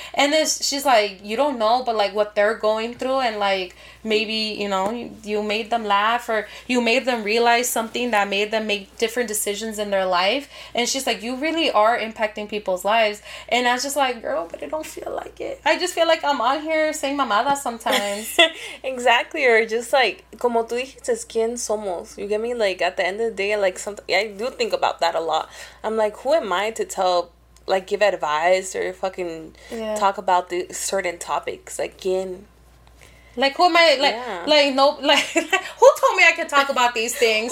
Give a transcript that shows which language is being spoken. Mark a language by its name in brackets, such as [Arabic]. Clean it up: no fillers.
[English] And then she's like, you don't know, but, like, what they're going through and, like, maybe, you know, you made them laugh or you made them realize something that made them make different decisions in their life. And she's like, you really are impacting people's lives. And I was just like, girl, but I don't feel like it. I just feel like I'm out here saying mamada sometimes. Exactly. Or just like, [Spanish] como tú dijiste, ¿quién somos? [English] You get me? Like, at the end of the day, like, something, I do think about that a lot. I'm like, who am I to tell, like, give advice or fucking talk about the certain topics? Like, ¿quién? Like, who am I, like, like, no, like, who told me I could talk about these things?